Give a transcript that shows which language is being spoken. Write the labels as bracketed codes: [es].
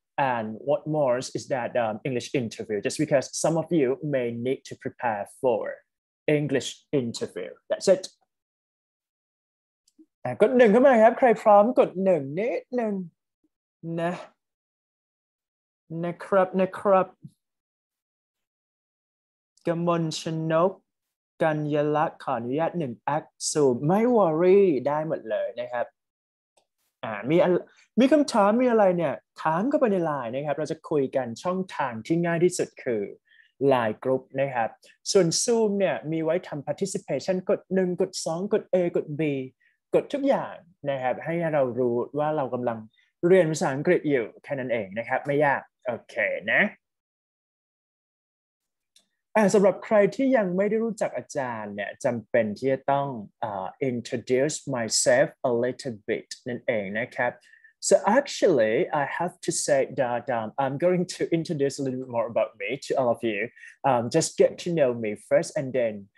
[en] And what more is that English interview, just because some of you may need to prepare for English interview. That's it. [th] กด1เข้ามาครับใครพร้อมกด1นิดนึงนะนะครับนะครับกมลชนกกัญญลักษณ์ขออนุญาต1แอคซูมไม่วอรี่ได้หมดเลยนะครับ มีคำถามมีอะไรเนี่ยถามก็ไปในไลน์นะครับเราจะคุยกันช่องทางที่ง่ายที่สุดคือไลน์กรุ๊ปนะครับส่วน Zoom เนี่ยมีไว้ทำ participation กด1กด2กด A กด Bกดทุกอย่างนะครับให้เรารู้ว่าเรากำลังเรียนภาษาอังกฤษอยู่แค่นั้นเองนะครับไม่ยาก โอเคนะสำหรับใครที่ยังไม่ได้รู้จักอาจารย์เนี่ยจำเป็นที่จะต้อง [en] introduce myself a little bit [th] นั่นเองนะครับ [en] So actually I have to say that I'm going to introduce a little bit more about me to all of you just get to know me first and then